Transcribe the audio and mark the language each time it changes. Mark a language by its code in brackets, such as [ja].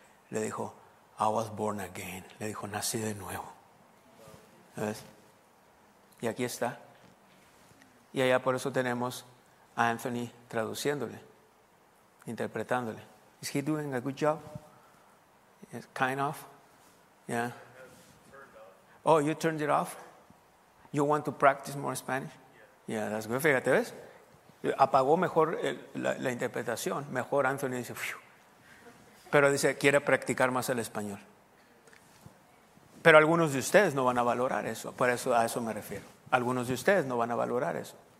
[es] Le dijo, [en] I was born again. [es] Le dijo, nací de nuevo. ¿Ves? Y aquí está. Y allá por eso tenemos a Anthony traduciéndole, interpretándole. [en] Is he doing a good job? Yes, kind of. Yeah. Oh, you turned it off? You want to practice more Spanish? Yeah, that's good. [es] Fíjate, ¿ves? Apagó mejor la interpretación. Mejor Anthony dice, phew. Pero dice, quiere practicar más el español. Pero algunos de ustedes no van a valorar eso. Por eso, a eso me refiero. Algunos de ustedes no van a valorar eso.